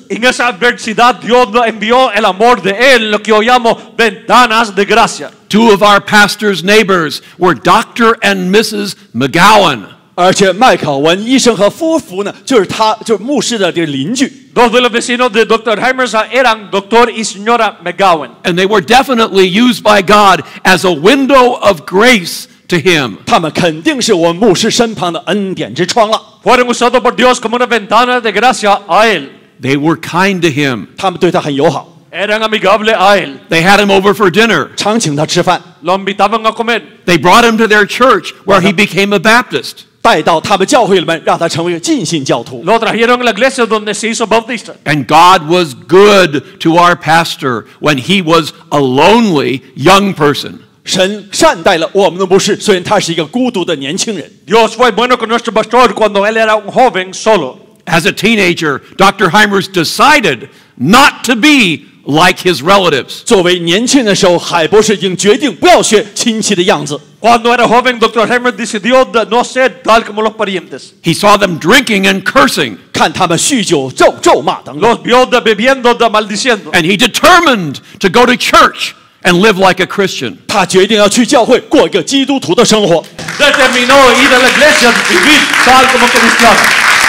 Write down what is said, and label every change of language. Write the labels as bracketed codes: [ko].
[es] En esa adversidad, Dios nos envió el amor de Él, lo que yo llamo ventanas de gracia. [en] Two of our pastor's neighbors were Dr. and Mrs. McGowan. [zh] 而且麦考文医生和夫妇呢，就是他，就是牧师的这个邻居。 [es] Dos de los vecinos de Dr. Hymers eran Dr. y Señora McGowan. [en] And they were definitely used by God as a window of grace to him. [zh] 他们肯定是我牧师身旁的恩典之窗了。 [es] Fueron usados por Dios como una ventana de gracia a él. [en] They were kind to him. [zh] 他们对他很友好。 [es] Eran amigable a él. [en] They had him over for dinner. [zh] 常请他吃饭。 [es] Lo invitaban a comer. [en] They brought him to their church where he became a Baptist. [zh] 带到他们教会里面，让他成为一个浸信教徒。 [es] Lo trajeron a la iglesia donde se hizo Bautista. [en] And God was good to our pastor when he was a lonely young person. [zh] 神善待了我们的牧师，虽然他是一个孤独的年轻人。 [es] Dios fue bueno con nuestro pastor cuando él era un joven solo. [en] As a teenager, Dr. Hymers decided not to be like his relatives. [zh] 作为年轻的时候，海博士已经决定不要学亲戚的样子。 [es] Cuando era joven, Dr. Hymers decidió de no ser tal como los parientes. [en] He saw them drinking and cursing. [zh] 看他们酗酒咒骂等等。 [es] Los vio de bebiendo de maldiciendo. [en] And he determined to go to church and live like a Christian. [zh] 他决定要去教会过一个基督徒的生活。 [es] Determinó ir a la iglesia y vivir tal como cristiano.